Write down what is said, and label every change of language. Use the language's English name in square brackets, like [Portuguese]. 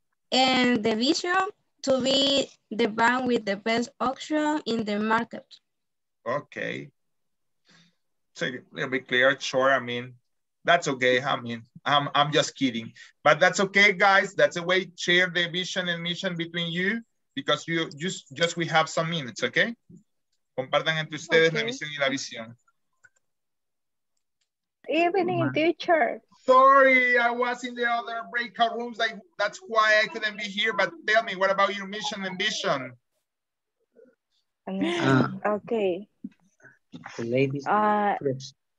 [English] And the vision to be the bank with the best option in the market. Okay. So a little bit clear, sure. I mean, that's okay. I mean, I'm just kidding, but that's okay, guys. That's a way to share the vision and mission between you, because you just we have some minutes, okay? [Spanish] Compartan entre ustedes la misión y la visión. [English] Evening, teacher. Sorry, I was in the other breakout rooms. That's why I couldn't be here. But tell me, what about your mission and vision? Okay. The ladies first.